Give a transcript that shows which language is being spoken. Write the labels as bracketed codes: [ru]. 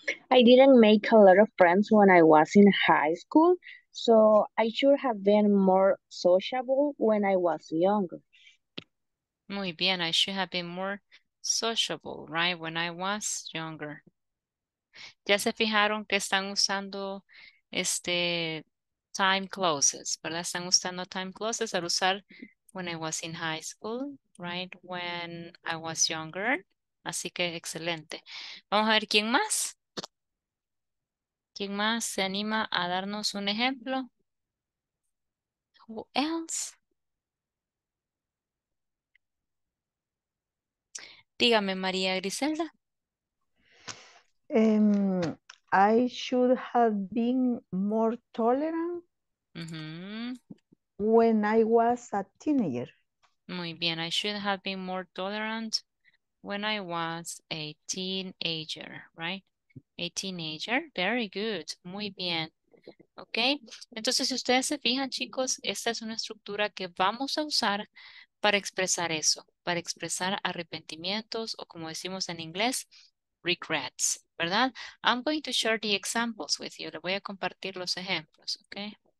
[en] I didn't make a lot of friends when I was in high school, so I should have been more sociable when I was younger. [es] Muy bien, [en] I should have been more sociable, right, when I was younger. [es] Ya se fijaron que están usando time clauses, ¿verdad? Están usando time clauses al usar [en] when I was in high school, right, when I was younger. [es] Así que excelente. Vamos a ver quién más. ¿Quién más se anima a darnos un ejemplo? [en] Who else? [es] Dígame, María Griselda. [en] I should have been more tolerant uh-huh. when I was a teenager. [es] Muy bien, [en] I should have been more tolerant when I was a teenager, right? A teenager, very good, [es] muy bien, [en] ok. [es] Entonces, si ustedes se fijan, chicos, esta es una estructura que vamos a usar para expresar eso, para expresar arrepentimientos o como decimos en inglés, regrets, ¿verdad? [en] I'm going to share the examples with you, [es] le voy a compartir los ejemplos, [en] ok.